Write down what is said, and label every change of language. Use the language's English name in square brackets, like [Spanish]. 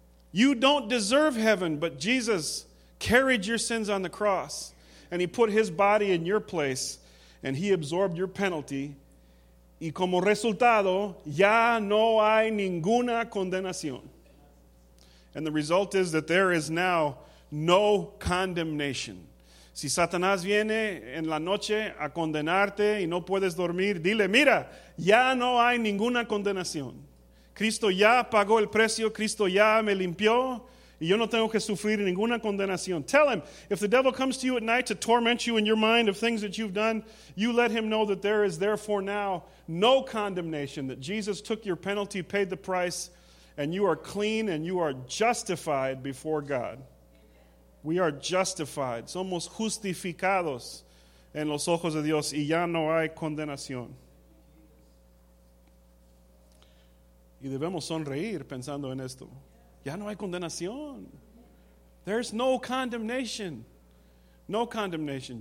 [English] You don't deserve heaven, but Jesus carried your sins on the cross. And he put his body in your place. And he absorbed your penalty. [Spanish] Y como resultado, ya no hay ninguna condenación. [English] And the result is that there is now no condemnation. [Spanish] Si Satanás viene en la noche a condenarte y no puedes dormir, dile, mira, ya no hay ninguna condenación. Cristo ya pagó el precio, Cristo ya me limpió, y yo no tengo que sufrir ninguna condenación. [English] Tell him, if the devil comes to you at night to torment you in your mind of things that you've done, you let him know that there is therefore now no condemnation, that Jesus took your penalty, paid the price, and you are clean and you are justified before God. We are justified. [Spanish] Somos justificados en los ojos de Dios y ya no hay condenación. Y debemos sonreír pensando en esto. Ya no hay condenación. [English] There's no condemnation. No condemnation.